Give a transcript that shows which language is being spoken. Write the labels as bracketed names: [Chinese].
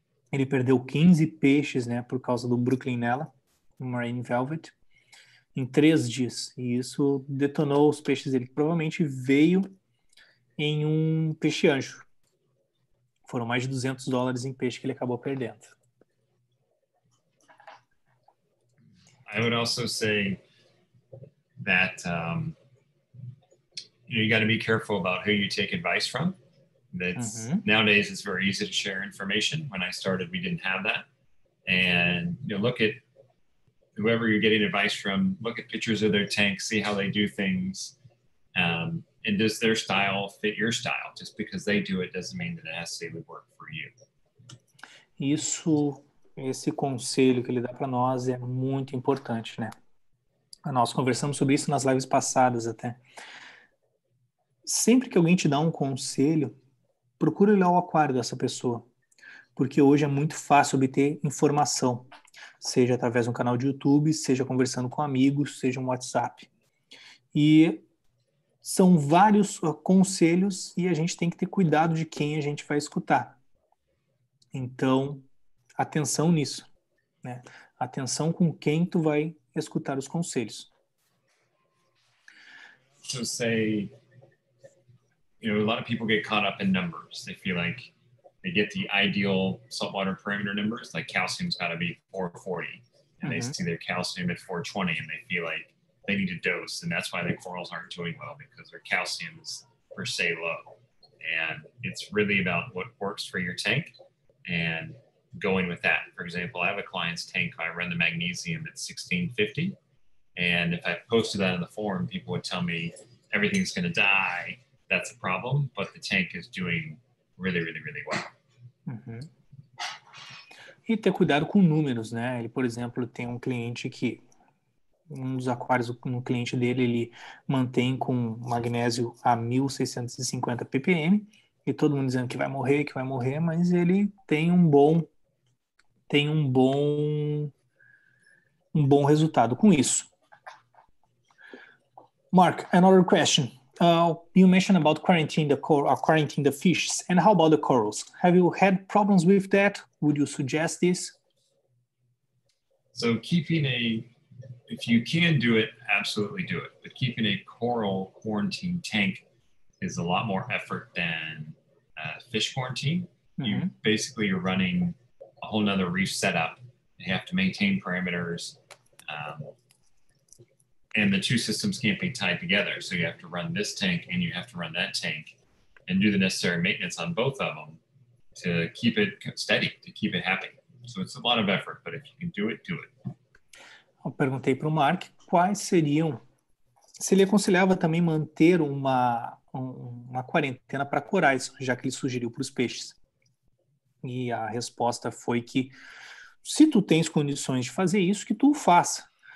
[Portuguese] Ele perdeu 15 peixes, né, por causa do Brooklyn Nella, Marine Velvet, em 3 dias. E isso detonou os peixes dele. Provavelmente veio em um peixe anjo. Foram mais de $200 em peixe que ele acabou perdendo. [English] I would also say that you got to be careful about who you take advice from. That's nowadays it's very easy to share information. When I started, we didn't have that. And you know, look at whoever you're getting advice from, look at pictures of their tank, see how they do things. And does their style fit your style? Just because they do it doesn't mean that it necessarily work for you. [Portuguese] Isso, esse conselho que ele dá para nós é muito importante, né? Nós conversamos sobre isso nas lives passadas até. Sempre que alguém te dá um conselho, procura olhar o aquário dessa pessoa. Porque hoje é muito fácil obter informação. Seja através de um canal de YouTube, seja conversando com amigos, seja um WhatsApp. E são vários conselhos e a gente tem que ter cuidado de quem a gente vai escutar. Então, atenção nisso, né? Atenção com quem tu vai escutar os conselhos. [English] So say, you know, a lot of people get caught up in numbers. They feel like they get the ideal saltwater parameter numbers, like calcium's got to be 440. And they see their calcium at 420 and they feel like they need a dose. And that's why the corals aren't doing well, because their calcium is per se low. And it's really about what works for your tank and going with that. For example, I have a client's tank, I run the magnesium at 1650. And if I posted that in the forum, people would tell me everything's going to die. That's a problem. But the tank is doing really, really, really well. [Portuguese] E ter cuidado com números, né? Ele, por exemplo, tem um cliente que, um dos aquários no cliente dele, ele mantém com magnésio a 1650 ppm. E todo mundo dizendo que vai morrer, mas ele tem um bom resultado com isso. [English] Mark, another question. You mentioned about quarantine the fishes, and how about the corals? Have you had problems with that? Would you suggest this? So keeping if you can do it, absolutely do it. But keeping a coral quarantine tank is a lot more effort than fish quarantine. You're running a whole nother reef setup. You have to maintain parameters. and the two systems can't be tied together. So you have to run this tank and you have to run that tank and do the necessary maintenance on both of them to keep it steady, to keep it happy. So it's a lot of effort, but if you can do it, do it. [Portuguese] Eu perguntei para o Mark quais seriam, se ele aconselhava também manter uma quarentena para corais, já que ele sugeriu para os peixes. E a resposta foi que se tu tens condições de fazer isso, que tu o faça.